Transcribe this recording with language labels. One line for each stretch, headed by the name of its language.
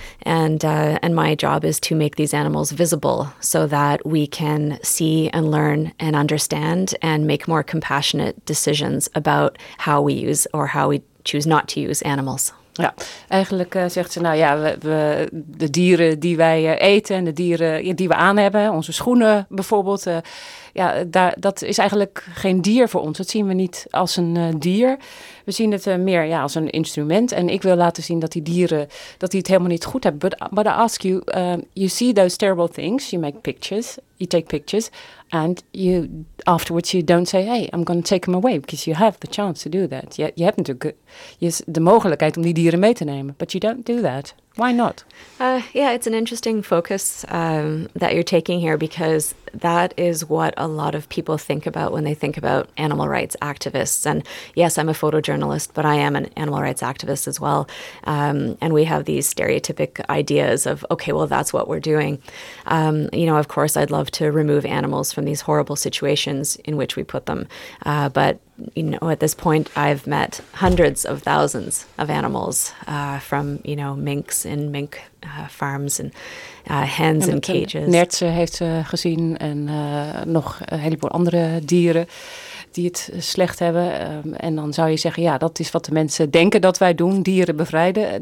English: And my job is to make these animals visible so that we can see and learn and understand and make more compassionate decisions about how we use or how we choose not to use animals.
Dutch: Ja, eigenlijk zegt ze, nou ja, we de dieren die wij eten en de dieren die we aan hebben, onze schoenen bijvoorbeeld, dat is eigenlijk geen dier voor ons. Dat zien we niet als een dier. We zien het meer als een instrument. En ik wil laten zien dat die dieren, dat die het helemaal niet goed hebben.
English: But I ask you, you see those terrible things, you make pictures, you take pictures, and you afterwards you don't say, hey, I'm going to take them away, because you have the chance to do that. You have to, yes,
Dutch: de mogelijkheid om die dieren mee te nemen,
English: but you don't do that. Why not? It's an interesting focus that you're taking here, because that is what a lot of people think about when they think about animal rights activists. And yes, I'm a photojournalist, but I am an animal rights activist as well. And we have these stereotypic ideas of, okay, well, that's what we're doing. You know, of course, I'd love to remove animals from these horrible situations in which we put them. But you know, at this point, I've met hundreds of thousands of animals from, you know, minks in mink farms and hens in cages.
Dutch: Nertsen heeft ze gezien en nog een heleboel andere dieren die het slecht hebben. En dan zou je zeggen, ja, dat is wat de mensen denken dat wij doen, dieren bevrijden.